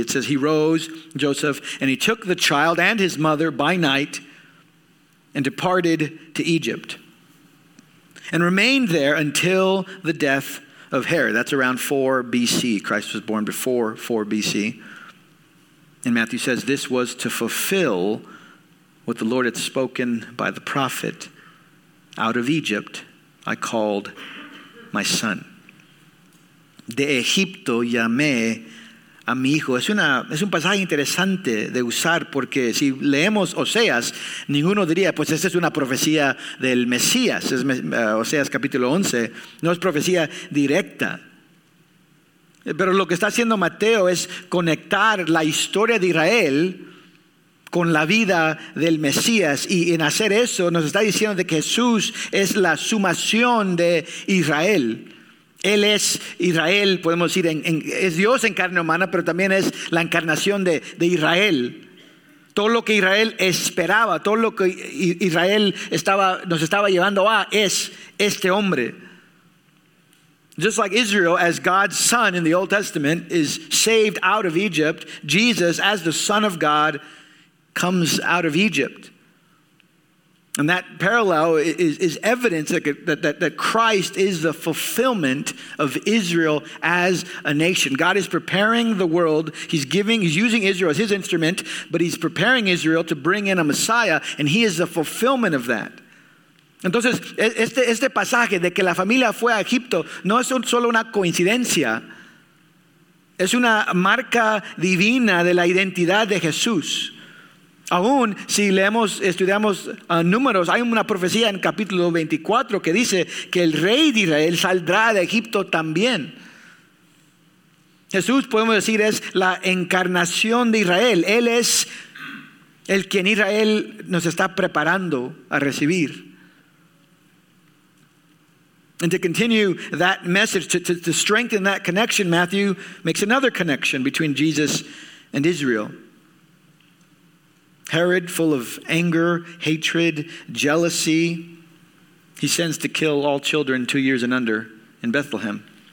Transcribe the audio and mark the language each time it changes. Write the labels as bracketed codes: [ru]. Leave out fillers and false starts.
[en] It says, he rose, Joseph, and he took the child and his mother by night and departed to Egypt and remained there until the death of Herod. That's around 4 BC. Christ was born before 4 BC. And Matthew says this was to fulfill what the Lord had spoken by the prophet. Out of Egypt, I called my son. [es] De Egipto llamé a mi hijo. Es un pasaje interesante de usar porque si leemos Oseas, ninguno diría, pues esta es una profecía del Mesías. Oseas capítulo 11, no es profecía directa. Pero lo que está haciendo Mateo es conectar la historia de Israel con la vida del Mesías, y en hacer eso nos está diciendo de que Jesús es la sumación de Israel. Él es Israel, podemos decir, es Dios en carne humana, pero también es la encarnación de Israel. Todo lo que Israel esperaba, todo lo que Israel nos estaba llevando a es este hombre. [en] Just like Israel, as God's son in the Old Testament, is saved out of Egypt, Jesus, as the Son of God, comes out of Egypt. And that parallel is evidence that Christ is the fulfillment of Israel as a nation. God is preparing the world. He's using Israel as his instrument, but he's preparing Israel to bring in a Messiah, and he is the fulfillment of that. [es] Entonces, este pasaje de que la familia fue a Egipto no es solo una coincidencia. Es una marca divina de la identidad de Jesús. Aún si estudiamos números, hay una profecía en capítulo 24 que dice que el rey de Israel saldrá de Egipto también. Jesús, podemos decir, es la encarnación de Israel. Él es el quien Israel nos está preparando a recibir. [en] And to continue that message, to strengthen that connection, Matthew makes another connection between Jesus and Israel. Herod, full of anger, hatred, jealousy, he sends to kill all children 2 years and under in Bethlehem.